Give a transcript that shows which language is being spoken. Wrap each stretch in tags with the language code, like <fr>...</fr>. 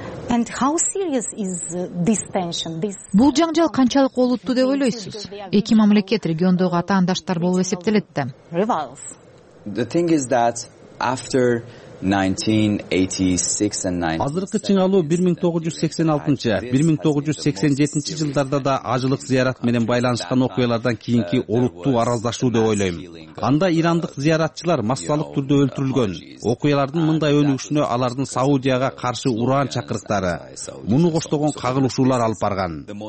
<en>And how serious is this tension?</en> <ky>Бул жаңжал канчалык олуттуу деп ойлойсуз? Эки мамлекет региондогу атаандаштар болуп эсептелет да.</ky> <en>The thing is that after 1986 and 1990.</en> <ky>Азыркы чыңалуу 1986-1987 жылдарда да ажылык зыярат менен байланышкан окуялардан кийинки олуттуу араздашуу деп ойлойм. Анда ирандык зыяратчылар массалык түрдө өлтүрүлгөн. Окуялардын мындай өнүгүшүнө алардын Саудияга каршы ураан чакырыктары, муну коштогон кагылышуулар алып барган.</ky>